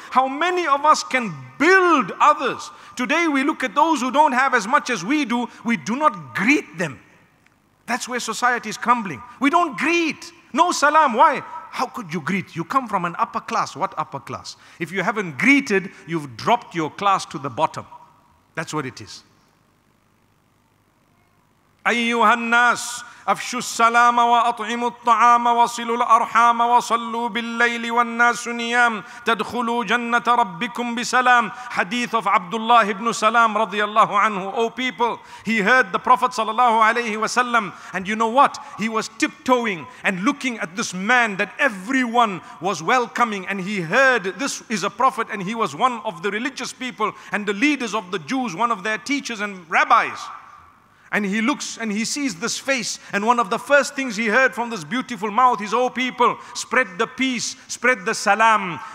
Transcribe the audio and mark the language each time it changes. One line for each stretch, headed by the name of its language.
English: How many of us can build others? Today we look at those who don't have as much as we do. We do not greet them. That's where society is crumbling. We don't greet. No salam. Why? How could you greet? You come from an upper class. What upper class? If you haven't greeted, you've dropped your class to the bottom. That's what it is.
Arabic: أيها الناس أفشوا السلام وأطعموا الطعام وصلوا الأرحام وصلوا بالليل والناس نيام تدخلوا جنة ربكم بسلام حديث of Abdullah ibn Salam رضي الله عنه
English: O people, he heard the Prophet
Arabic: صلى الله عليه وسلم
English: and you know what? He was tiptoeing and looking at this man that everyone was welcoming and he heard this is a prophet and he was one of the religious people and the leaders of the Jews, one of their teachers and rabbis. And he looks and he sees this face. And one of the first things he heard from this beautiful mouth is, oh people, spread the peace, spread the salam.